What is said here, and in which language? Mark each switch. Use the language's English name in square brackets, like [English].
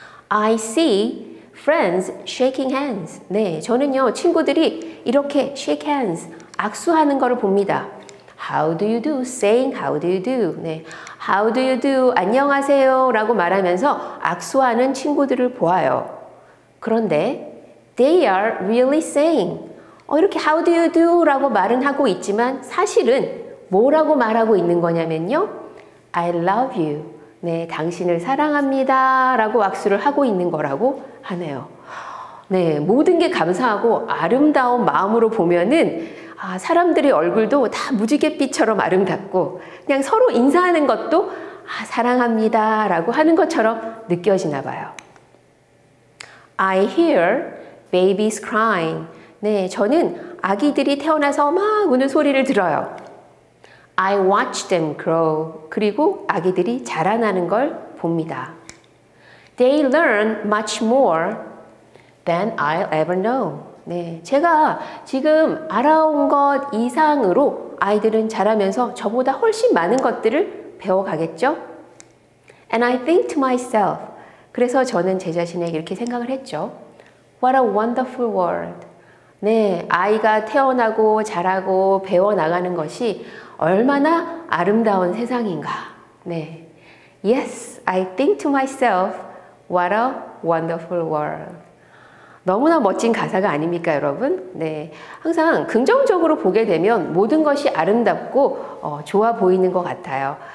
[English] I see friends shaking hands. [Korean] 네, 저는요, 친구들이 이렇게 [English] shake hands, [Korean] 악수하는 거를 봅니다. [English] How do you do? Saying how do you do? 네, how do you do? [Korean] 안녕하세요 라고 말하면서 악수하는 친구들을 보아요. 그런데 [English] they are really saying 이렇게 how do you do? [Korean] 라고 말은 하고 있지만 사실은 뭐라고 말하고 있는 거냐면요, [English] I love you. [Korean] 네, 당신을 사랑합니다 라고 악수를 하고 있는 거라고 하네요. 네, 모든 게 감사하고 아름다운 마음으로 보면은 사람들의 얼굴도 다 무지갯빛처럼 아름답고 그냥 서로 인사하는 것도 사랑합니다 라고 하는 것처럼 느껴지나 봐요. [English] I hear babies crying. [Korean] 네, 저는 아기들이 태어나서 막 우는 소리를 들어요. [English] I watch them grow. [Korean] 그리고 아기들이 자라나는 걸 봅니다. [English] They learn much more than I'll ever know. [Korean] 네, 제가 지금 알아온 것 이상으로 아이들은 자라면서 저보다 훨씬 많은 것들을 배워가겠죠? [English] And I think to myself. [Korean] 그래서 저는 제 자신에게 이렇게 생각을 했죠. [English] What a wonderful world. [Korean] 네, 아이가 태어나고 자라고 배워나가는 것이 얼마나 아름다운 세상인가. 네. [English] Yes, I think to myself, what a wonderful world. [Korean] 너무나 멋진 가사가 아닙니까, 여러분? 네. 항상 긍정적으로 보게 되면 모든 것이 아름답고 좋아 보이는 것 같아요.